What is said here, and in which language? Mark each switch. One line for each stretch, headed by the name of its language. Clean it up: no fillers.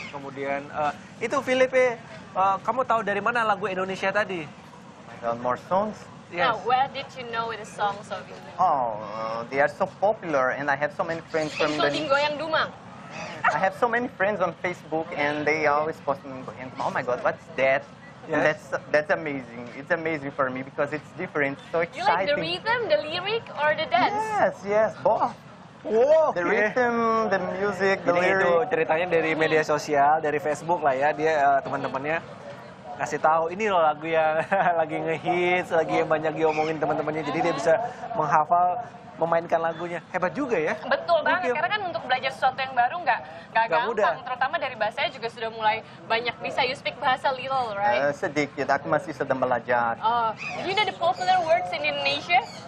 Indonesian: Kemudian itu Philip, kamu tahu dari mana lagu Indonesia tadi?
English: Well, more songs. Yes. Now, where did you know the songs of Indonesia? Oh, they are so popular and I have so many friends from Indonesia. Including Goyang Dumang. I have so many friends on Facebook and they always post Goyang Dumang. Oh my God, what's that? Yes. That's amazing. It's amazing for me because it's different. So exciting. You like the rhythm, the lyric, or the dance? Yes, yes, both. Wow, the rhythm, the music, the lyric.
Indonesian: Jadi itu ceritanya dari media sosial, dari Facebook lah ya. Dia teman-temannya kasih tahu ini loh lagu yang lagi ngehits, lagi yang banyak diomongin teman-temannya. Jadi dia bisa menghafal, memainkan lagunya. Hebat juga ya. Betul banget. Ya. Karena kan untuk belajar sesuatu yang baru nggak gampang. Mudah. Terutama dari bahasanya juga sudah mulai banyak bisa.
English: You speak bahasa little, right?
Indonesian: Sedikit. Aku masih sedang belajar.
English: Oh, you know the popular words in Indonesia?